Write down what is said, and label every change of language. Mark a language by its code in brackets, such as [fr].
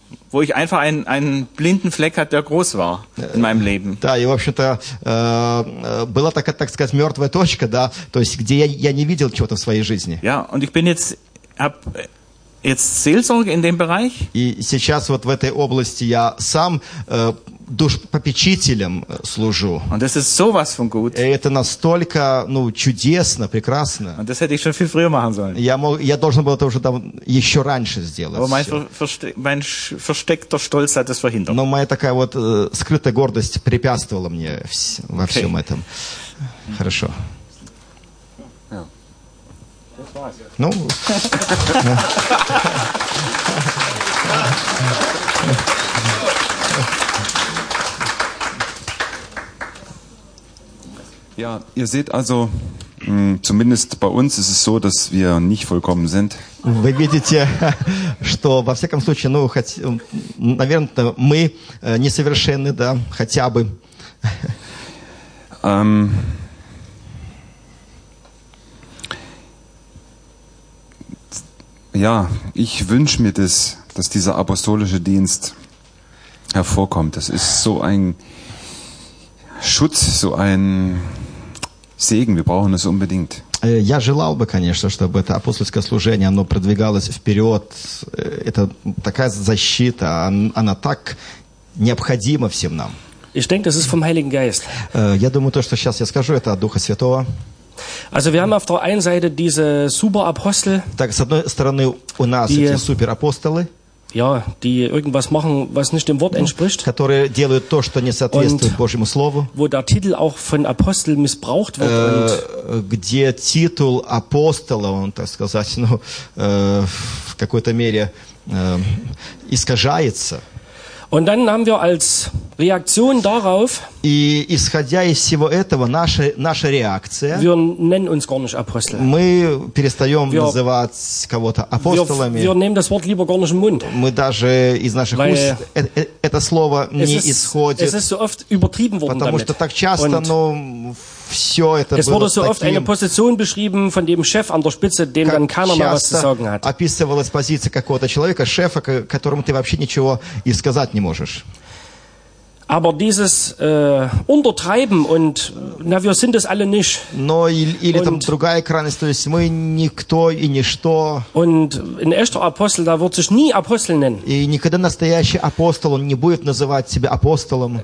[de] wo ich einfach einen blinden Fleck hatte, der groß war in meinem Leben. [ru] Да, и в общем-то была такая, так сказать, мертвая точка, да, то есть где я не видел чего-то в своей жизни. [de] Ja, und ich bin jetzt Seelsorge in dem Bereich. [ru] И сейчас вот в этой области я сам душпопечителем служу. [de] Und das ist sowas von gut. [ru] И это настолько, ну, чудесно, прекрасно. [de] Und das hätte ich schon viel früher machen sollen. [ru] Я должен был это уже еще раньше сделать. [de] Aber mein versteckter Stolz hat das verhindert. [ru] Но моя такая вот скрытая гордость препятствовала мне во всем этом. Хорошо. Ну. [de] Ja, ihr seht also, zumindest bei uns ist es so, dass wir nicht vollkommen sind. [ru] Вы видите, что во всяком случае, ну, наверное, мы несовершенны, да, хотя бы. [de] Ja, ich wünsche mir das, dass dieser apostolische Dienst hervorkommt. Das ist so ein Schutz, so ein Segen, wir brauchen es unbedingt. [ru] Я желал бы, конечно, чтобы это апостольское служение, оно продвигалось вперед. Это такая защита, она так необходима всем нам. [de] Ich denke, das ist vom Heiligen Geist. [ru] Я думаю, то, что сейчас я скажу, это от Духа Святого. [de] Also wir haben auf der einen Seite diese Superapostel. [ru] Так, с одной стороны, у нас эти суперапостолы. [de] Ja, die irgendwas machen, was nicht dem Wort entspricht. [ru] Которые делают то, что не соответствует Божьему слову. [de] Wo der Titel auch von Apostel missbraucht wird. [ru] Где титул апостола, он, так сказать, ну, в какой-то мере искажается. [de] Und dann haben wir als Reaktion darauf. [ru] И исходя из всего этого, наша реакция. [de] Wir nennen uns gar nicht Apostel. [ru] Мы перестаем называть кого-то апостолами. [de] Wir nehmen das Wort lieber gar nicht im Mund. [ru] Мы даже из наших уст это слово не исходит. [de] Es ist so oft übertrieben worden. [ru] Потому что так часто, но все это было. [de] Es wurde so oft eine Position beschrieben von dem Chef an der Spitze, dem dann keiner mehr was zu sagen hat. [ru] Описывалась позиция какого-то человека, шефа, которому ты вообще ничего и сказать не можешь. [de] Aber dieses Untertreiben und na, wir sind es alle nicht. [ru] Но или там другая крайность, то есть мы никто и ничто. [de] Und ein echter Apostel, da wird sich nie Apostel nennen. [ru] И никогда настоящий апостол он не будет называть себя апостолом.